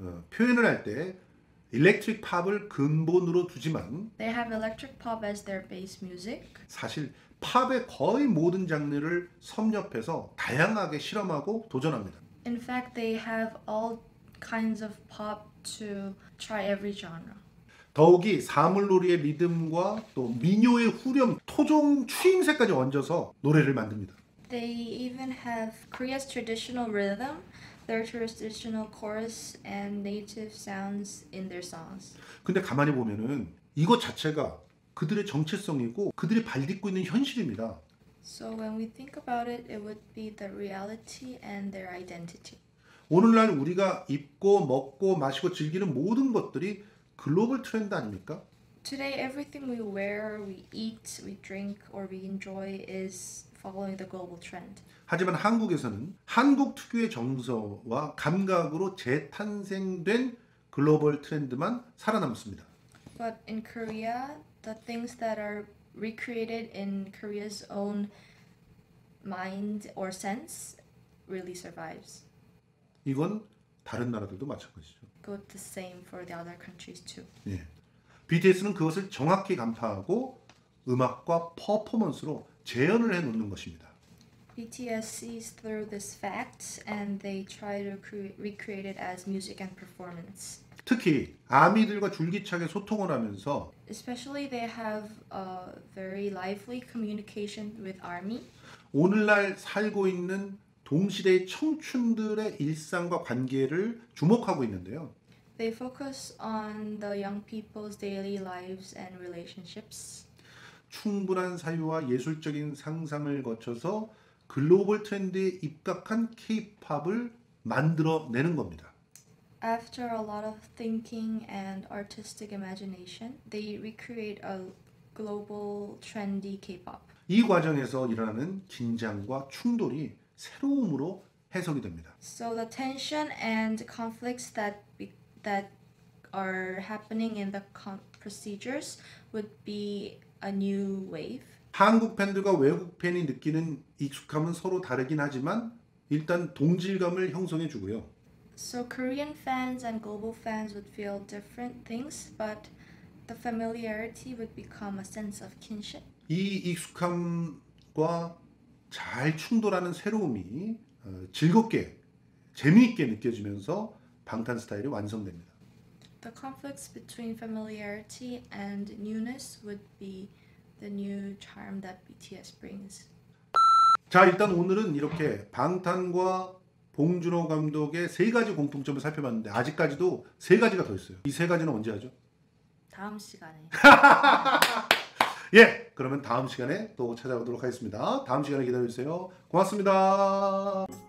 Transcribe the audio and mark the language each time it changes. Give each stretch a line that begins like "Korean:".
Korean: 표현을 할 때 electric pop을 근본으로 두지만
English: they have electric pop as their base music.
Korean: 사실 팝의 거의 모든 장르를 섭렵해서 다양하게 실험하고 도전합니다.
English: In fact, they have all kinds of pop to try every genre.
Korean: 더욱이 사물놀이의 리듬과 또 민요의 후렴, 토종 추임새까지 얹어서 노래를 만듭니다.
English: They even have Korea's traditional rhythm, their traditional chorus and native sounds in their songs.
Korean: 근데 가만히 보면은 이거 자체가 그들의 정체성이고 그들이 발딛고 있는 현실입니다.
English: So when we think about it, it would be the reality and their identity.
Korean: 오늘날 우리가 입고 먹고 마시고 즐기는 모든 것들이 글로벌 트렌드 아닙니까?
English: Today, everything we wear, we eat, we drink, or we enjoy is following the global trend.
Korean: 하지만 한국에서는 한국 특유의 정서와 감각으로 재탄생된 글로벌 트렌드만 살아남습니다.
English: But in Korea, the things that are recreated in Korea's own mind or sense really survives.
Korean: 이건 다른 나라들도 마찬가지죠.
English: Go the same for the other countries too.
Korean: 예. BTS는 그것을 정확히 간파하고 음악과 퍼포먼스로 재현을 해 놓는 것입니다.
English: BTS sees through this fact and they try to recreate it as music and performance.
Korean: 특히 아미들과 줄기차게 소통을 하면서
English: especially they have a very lively communication with ARMY.
Korean: 오늘날 살고 있는 동시대의 청춘들의 일상과 관계를 주목하고 있는데요.
English: They focus on the young people's daily lives and relationships.
Korean: 충분한 사유와 예술적인 상상을 거쳐서 글로벌 트렌드에 입각한 K-POP을 만들어내는 겁니다.
English: After a lot of thinking and artistic imagination, they recreate a global trendy K-POP.
Korean: 이 과정에서 일어나는 긴장과 충돌이 새로움으로 해석이 됩니다.
English: So the tension and conflicts that that are happening in the procedures would be a new wave.
Korean: 한국 팬들과 외국 팬이 느끼는 익숙함은 서로 다르긴 하지만 일단 동질감을 형성해 주고요.
English: So Korean fans and global fans would feel different things, but the familiarity would become a sense of kinship.
Korean: 이 익숙함과 잘 충돌하는 새로움이 즐겁게, 재미있게 느껴지면서 방탄 스타일이 완성됩니다.
English: The conflicts between familiarity and newness would be the new charm that BTS brings.
Korean: 자, 일단 오늘은 이렇게 방탄과 봉준호 감독의 세 가지 공통점을 살펴봤는데 아직까지도 세 가지가 더 있어요. 이 세 가지는 언제 하죠? 다음 시간에. 예, 그러면 다음 시간에 또 찾아오도록 하겠습니다. 다음 시간에 기다려주세요. 고맙습니다.